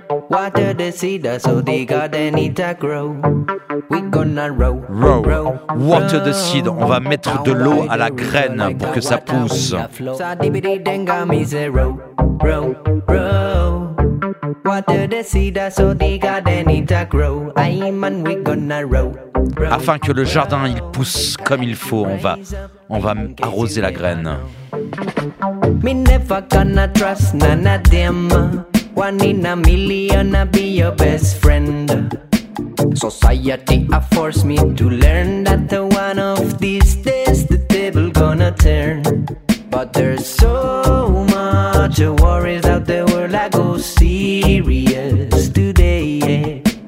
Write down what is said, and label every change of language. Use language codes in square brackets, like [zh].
[en] Water the seed, so the garden it a grow. We gonna row, row, row. Water the seed, [fr] on va mettre de l'eau à la graine pour que ça pousse. [en] Water the seed, so the garden it a grow. I man, we gonna row. [fr] Afin que le jardin il pousse comme il faut, on va arroser la graine. [en] Me never gonna trust none of them. One in a million, I be your best friend. Society a forced me to learn that one of these days the table gonna turn. But there's so much worries out the world, I go serious today, yeah.